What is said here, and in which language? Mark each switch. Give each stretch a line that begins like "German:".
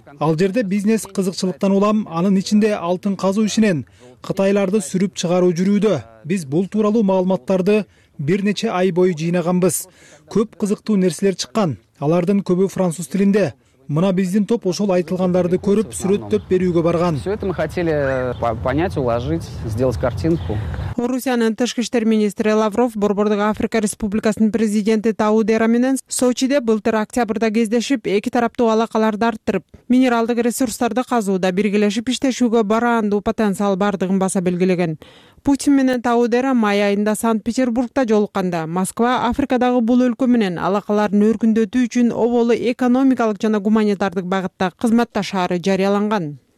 Kyrgyz: Ал жерде бизнес кызыкчылыктан улам, анын ичинде алтын казуу ишинен кытайларды сүрүп чыгаруу жүрүүдө. Биз бул тууралуу маалыматтарды бир нече ай бою жыйнаганбыз. Көп кызыктуу нерселер чыккан. Алардын көбү француз тилинде. Мына биздин топ ошол айтылгандарды көрүп сүрөттөп берүүгө барган.
Russian: Все это мы хотели понять, уложить, сделать картинку.
Kyrgyz: Орусиянын тышкы иштер министри Лавров борбордук Африка Республикасынын президенти Таудера менен Сочиде былтыр октябрда кездешип, эки тараптуу алакаларды арттырып, минералдык ресурстарды казууда биргелешип иштешүүгө бараандуу потенциал бардыгын баса белгилеген. Путин менен Таудера май айында Санкт-Петербургда жолукканда Москва Африкадагы бул өлкө менен алакаларын өркүндөтүү үчүн оболу экономикалык жана гуманитардык багытта кызматташары жарыяланган.